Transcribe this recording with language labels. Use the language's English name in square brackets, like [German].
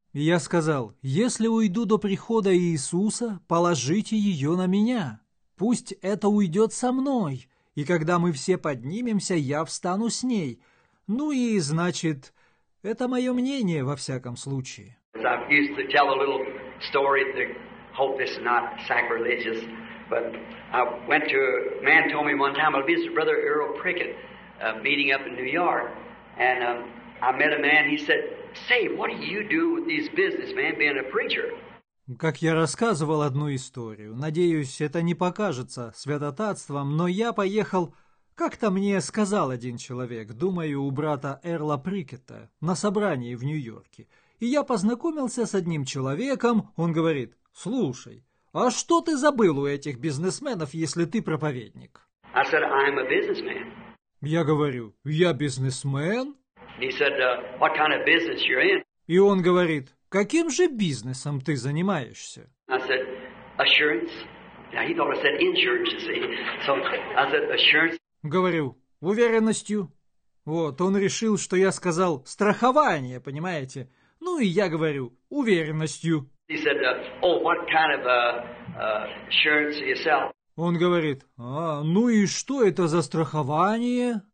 [Russian] Я сказал, если уйду до прихода Иисуса, положите ее на меня. Пусть это уйдет со мной. И когда мы все поднимемся, я встану с ней. Ну и, значит, это мое мнение во всяком случае. [English] I used to tell a little story, I hope this is not sacrilegious, but I went to a man told me one time, it was Brother Earl Prickett, meeting up in New York, and I met a man, he said, say, what do you do with these businessmen being a preacher? [Russian] Как я рассказывал одну историю, надеюсь, это не покажется святотатством, но я поехал, как-то мне сказал один человек, думаю, у брата Эрла Прикетта на собрании в Нью-Йорке. И я познакомился с одним человеком, он говорит, слушай, а что ты забыл у этих бизнесменов, если ты проповедник? [English] I said, I'm a businessman. [Russian] Я говорю, я бизнесмен? [English] He said, what kind of business you're in? [Russian] И он говорит, каким же бизнесом ты занимаешься? [English] I said, assurance. Now he thought I said insurance, you see. So I said, assurance. [Russian] Говорю, уверенностью. Вот, он решил, что я сказал страхование, понимаете? Ну и я говорю, уверенностью. [English] He said, what kind of, insurance yourself? [Russian] Он говорит, а, ну и что это за страхование?